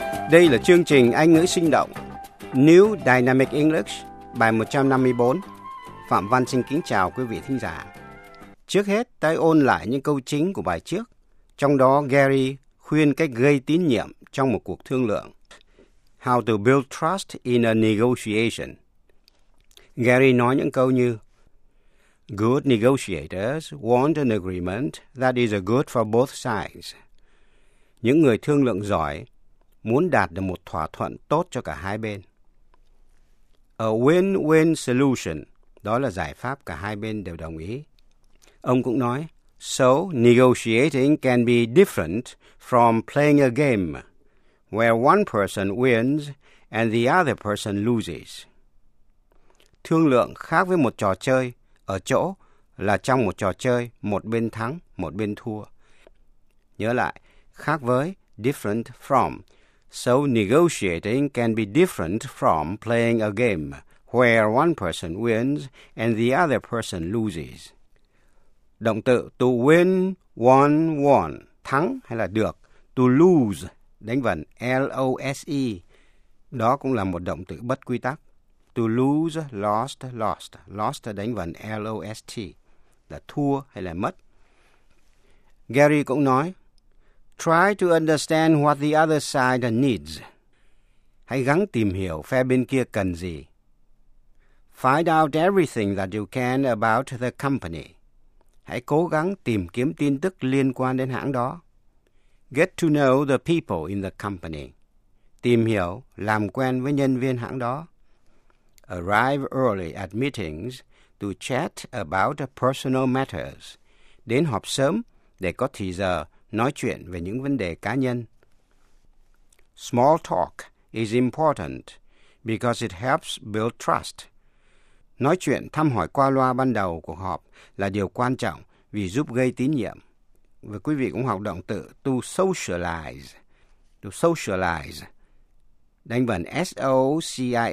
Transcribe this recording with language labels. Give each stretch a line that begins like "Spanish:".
Vietnamese: Đây là chương trình Anh ngữ sinh động New Dynamic English bài 154. Phạm Văn xin kính chào quý vị thính giả. Trước hết, ta ôn lại những câu chính của bài trước, trong đó Gary khuyên cách gây tín nhiệm trong một cuộc thương lượng. How to build trust in a negotiation. Gary nói những câu như:
English: Good negotiators want an agreement that is good for both sides.
Vietnamese: Những người thương lượng giỏi muốn đạt được một thỏa thuận tốt cho cả hai bên.
English: A win-win solution,
Vietnamese: đó là giải pháp cả hai bên đều đồng ý. Ông cũng nói,
English: so negotiating can be different from playing a game where one person wins and the other person loses.
Vietnamese: Thương lượng khác với một trò chơi ở chỗ là trong một trò chơi, một bên thắng, một bên thua. Nhớ lại, khác với,
English: different from. So negotiating can be different from playing a game where one person wins and the other person loses.
Vietnamese: Động từ
English: to win, won, won,
Vietnamese: thắng hay là được,
English: to lose,
Vietnamese: đánh vần, L-O-S-E, đó cũng là một động từ bất quy tắc.
English: To lose, lost, lost, lost
Vietnamese: đánh vần, L-O-S-T, là thua hay là mất. Gary cũng nói,
English: try to understand what the other side needs.
Vietnamese: Hãy gắng tìm hiểu phe bên kia cần gì.
English: Find out everything that you can about the company.
Vietnamese: Hãy cố gắng tìm kiếm tin tức liên quan đến hãng đó.
English: Get to know the people in the company.
Vietnamese: Tìm hiểu, làm quen với nhân viên hãng đó.
English: Arrive early at meetings to chat about personal matters.
Vietnamese: Đến họp sớm để có thì giờ nói chuyện về những vấn đề cá nhân.
English: Small talk is important because it helps build trust.
Vietnamese: Nói chuyện thăm hỏi qua loa ban đầu cuộc họp là điều quan trọng vì giúp gây tín nhiệm. Và quý vị cũng học động từ
English: to socialize. To socialize.
Vietnamese: Đánh vần S-O-C-I-A-L-I-Z-E.